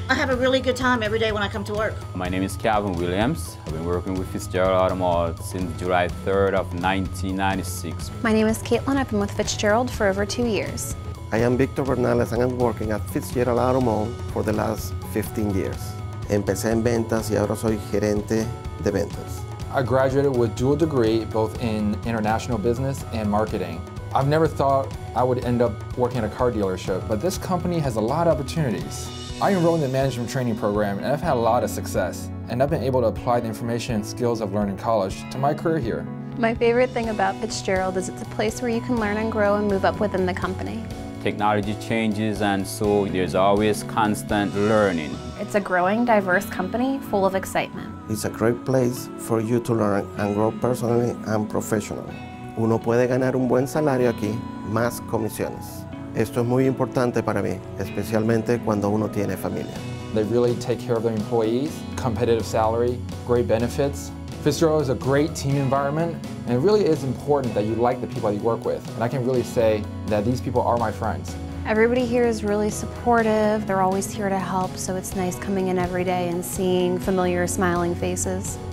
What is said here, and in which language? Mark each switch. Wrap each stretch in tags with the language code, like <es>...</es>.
<en>I have a really good time every day when I come to work. My name is Calvin Williams. I've been working with Fitzgerald Automall since July 3rd of 1996. My name is Caitlin. I've been with Fitzgerald for over 2 years. I am Victor Bernales, and I'm working at Fitzgerald Automall for the last 15 years.</en> <es>Empecé en ventas y ahora soy gerente de ventas.</es> <en>I graduated with dual degree, both in international business and marketing. I've never thought I would end up working at a car dealership, but this company has a lot of opportunities. I enrolled in the management training program, and I've had a lot of success, and I've been able to apply the information and skills I've learned in college to my career here. My favorite thing about Fitzgerald is it's a place where you can learn and grow and move up within the company. Technology changes, and so there's always constant learning. It's a growing, diverse company full of excitement. It's a great place for you to learn and grow personally and professionally.</en> <es>Uno puede ganar un buen salario aquí, más comisiones. Esto es muy importante para mí, especialmente cuando uno tiene familia.</es> <en>They really take care of their employees, competitive salary, great benefits. Fitzgerald is a great team environment, and it really is important that you like the people that you work with. And I can really say that these people are my friends. Everybody here is really supportive. They're always here to help, so it's nice coming in every day and seeing familiar, smiling faces.</en>